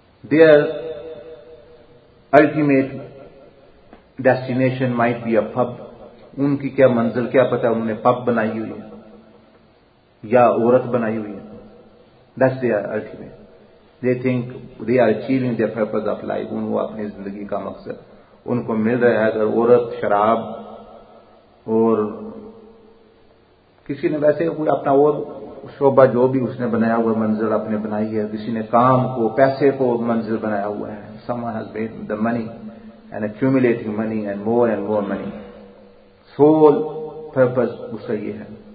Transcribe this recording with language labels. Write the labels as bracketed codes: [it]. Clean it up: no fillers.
[en] their ultimate destination might be a pub, [ur] ان کی کیا منزل, کیا پتہ انہوں نے پب بنائی ہوئی ہے یا عورت بنائی ہوئی ہے, [en] That's their ultimate. They think they are achieving their purpose of life. [ur] ان کو اپنی زندگی کا مقصد ان کو مل رہا ہے. اگر عورت شراب اور کسی نے ویسے کوئی اپنا اور شعبہ جو بھی اس نے بنایا ہوا منزل اپنے بنائی ہے, کسی نے کام کو پیسے کو منزل بنایا ہوا ہے, [en] someone has made the money and accumulating money and more money, [ur] sole purpose اس کا یہ ہے.